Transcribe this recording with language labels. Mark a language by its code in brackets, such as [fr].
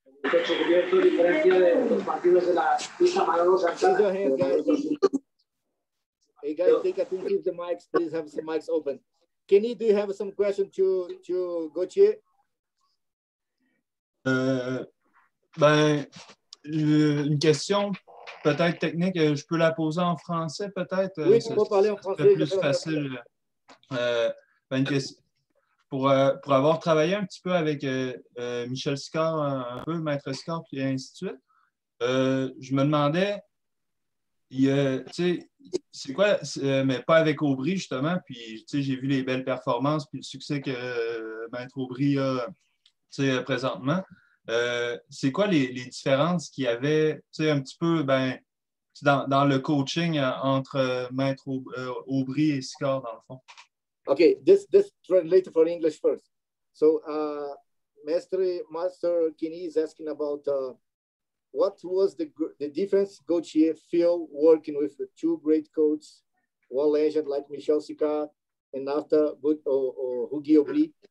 [en] Raise your hand, guys. Hey, guys, take a think of the mics. Please have some mics open. Kenny, do you have some question to Gauthier? [fr] Ben, une question peut-être technique, je peux la poser en français peut-être? Oui, tu peux parler en français. C'est plus facile. Ben, une question. Pour avoir travaillé un petit peu avec Michel Scar, un peu, Maître Scar, puis ainsi de suite, je me demandais, tu sais, c'est quoi, mais pas avec Aubry justement, puis tu sais, j'ai vu les belles performances, puis le succès que Maître Aubry a, tu sais, présentement. C'est quoi les différences qu'il y avait, tu sais, un petit peu, ben, dans le coaching entre Maître Aubry et Sicard, dans le fond? [en] Okay, this translate for English first. So, Master Kinney is asking about what was the difference Gauthier feel working with the two great coaches, one legend like Michel Sicard, and after Hugi Aubry.